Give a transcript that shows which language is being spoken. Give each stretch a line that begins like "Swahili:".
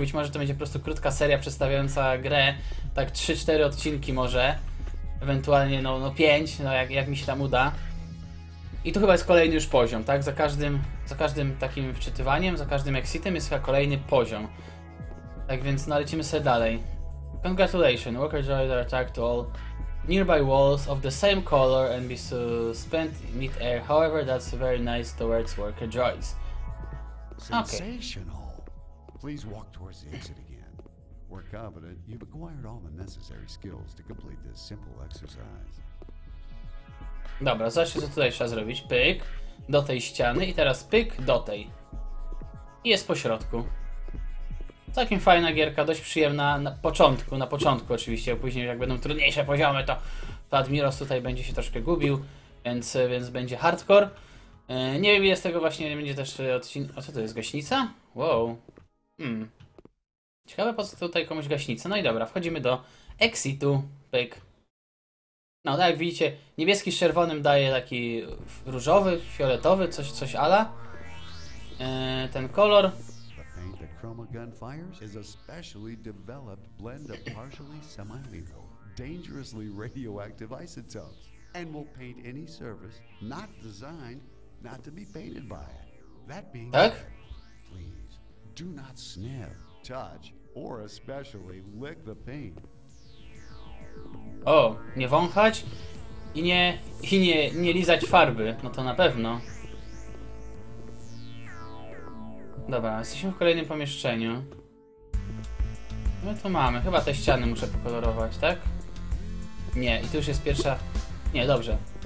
Polish: Być może to będzie po prostu krótka seria przedstawiająca grę. Tak 3-4 odcinki może. Ewentualnie, no 5, no jak mi się tam uda. I tu chyba jest kolejny już poziom, tak? Za każdym takim wczytywaniem, za każdym exitem jest chyba kolejny poziom. Tak więc, no lecimy sobie dalej.
English: Congratulations, worker droids are attacked to all nearby walls of the same color and be suspended mid-air. However, that's very nice towards worker droids. Sensational. Okay. Please walk towards the exit again. We're confident you've acquired all the necessary skills to complete this simple exercise.
Polish: Dobra, zobaczcie, co tutaj trzeba zrobić. Pyk do tej ściany i teraz pyk do tej. I jest po środku. Całkiem fajna gierka, dość przyjemna na początku oczywiście, później jak będą trudniejsze poziomy, to Admiros tutaj będzie się troszkę gubił, więc będzie hardcore. Nie wiem, ile z tego właśnie będzie też odcinek. O, co to jest, gaśnica? Wow. Ciekawe, po co tutaj komuś gaśnica. No i dobra, wchodzimy do exitu. Pyk. No, tak jak widzicie, niebieski z czerwonym daje taki różowy, fioletowy, coś ala. Ten kolor.
English: Chroma Gunfires is a specially developed blend of partially semi-lethal, dangerously radioactive isotopes, and will paint any surface not designed not to be painted by it. That being said, please do not sniff, touch, or especially lick the paint.
Polish: O, nie wąchać i nie lizać farby, no to na pewno. Dobra, jesteśmy w kolejnym pomieszczeniu. My tu mamy. Chyba te ściany muszę pokolorować, tak? Nie, i tu już jest pierwsza. Nie, dobrze.